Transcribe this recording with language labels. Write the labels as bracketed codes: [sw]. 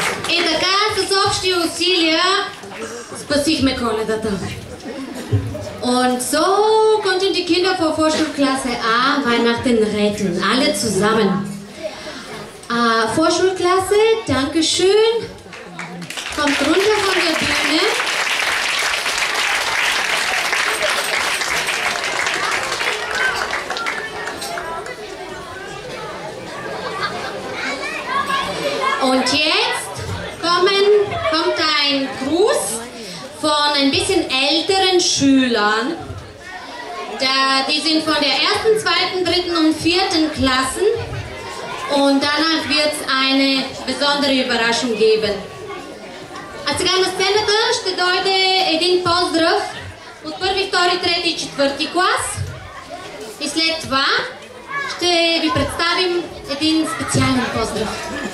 [bg] И така с общи усилия спасихме Коледата. [de] Und so konnten die Kinder vor Vorschulklasse A Weihnachten retten, alle zusammen. Vorschulklasse, danke schön. Kommt runter von der Bühne. Und jetzt kommt ein Gruß von ein bisschen älteren Schülern. Die sind von der 1., 2., 3. und 4. Klassen. Und danach wird es eine besondere Überraschung geben. [bg] Сега сцената ще дойде един поздрав от 1., 2., 3. и 4. клас. И след това ще ви представим един специален поздрав.